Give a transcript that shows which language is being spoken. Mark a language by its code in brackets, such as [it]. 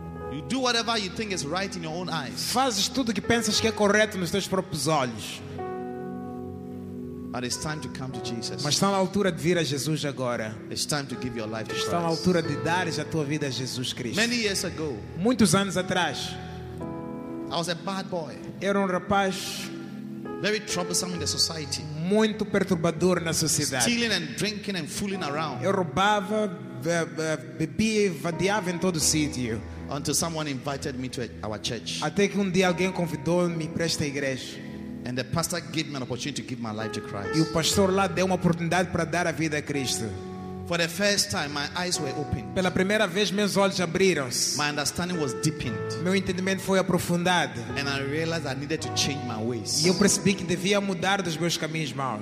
[en] You do whatever you think is right in your own eyes. [pt] Fazes tudo que pensas que é correto nos teus próprios olhos. [en] But it's time to come to Jesus. [pt] Mas está na altura de vir a Jesus agora. [en] It's time to give your life to Christ. [pt] Está na altura de dares a tua vida a Jesus Cristo. [en] Many years ago, [pt] muitos anos atrás, [en] I was a bad boy. [pt] Era rapaz [en] very troublesome in the society. [pt] Muito perturbador na sociedade. [en] Stealing and drinking and fooling around. [pt] Eu roubava, bebia e vadiava em todo o sítio. [en] Until someone invited me to our church. [pt] Até que dia alguém convidou-me para esta igreja. [en] And the pastor gave me an opportunity to give my life to Christ. [pt] E o pastor lá deu uma oportunidade para dar a vida a Cristo. [en] For the first time, my eyes were opened. [pt] Pela primeira vez, meus olhos abriram-se. [en] My understanding was deepened. [pt] Meu entendimento foi aprofundado. [en] And I realized I needed to change my ways. [pt] E eu percebi que devia mudar dos meus caminhos maus.